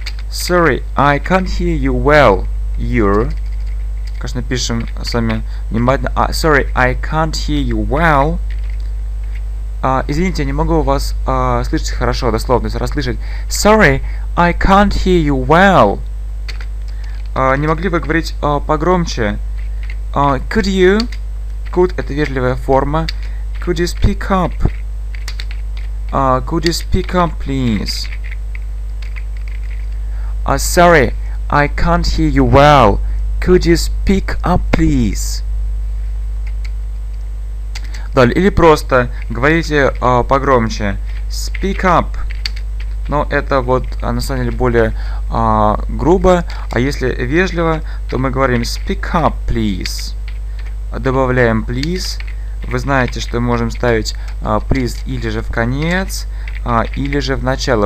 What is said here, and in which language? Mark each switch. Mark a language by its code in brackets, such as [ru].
[en] Sorry, I can't hear you well. You're. [ru] Конечно, пишем сами внимательно. [en] Sorry, I can't hear you well. [ru] Извините, я не могу вас слышать хорошо, дословно, расслышать. [en] Sorry, I can't hear you well. [ru] Не могли бы говорить погромче? [en] Could you? [ru] Could – это вежливая форма. [en] Could you speak up? Could you speak up, please? Sorry, I can't hear you well. Could you speak up, please? [ru] Далее, или просто говорите погромче. [en] Speak up. [ru] Но это вот на самом деле более грубо. А если вежливо, то мы говорим [en] speak up, please. [ru] Добавляем please. Вы знаете, что мы можем ставить please или же в конец, или же в начало.